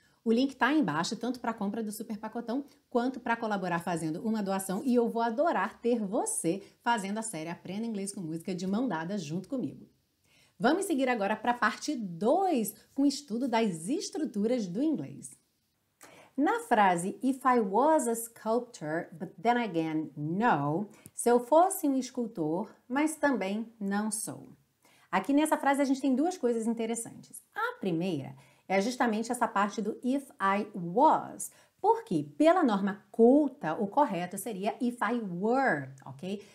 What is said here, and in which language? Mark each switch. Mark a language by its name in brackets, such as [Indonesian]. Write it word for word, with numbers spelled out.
[Portuguese] O link está aí embaixo, tanto para a compra do Super Pacotão, quanto para colaborar fazendo uma doação, e eu vou adorar ter você fazendo a série Aprenda Inglês com Música de mão dada junto comigo. Vamos seguir agora para a parte dois, com o estudo das estruturas do inglês. Na frase [English] If I was a sculptor, but then again, no. [Portuguese] Se eu fosse um escultor, mas também não sou. Aqui nessa frase a gente tem duas coisas interessantes. A primeira é justamente essa parte do [English] if I was, [Portuguese] porque pela norma culta o correto seria [English] if I were, [Portuguese] ok?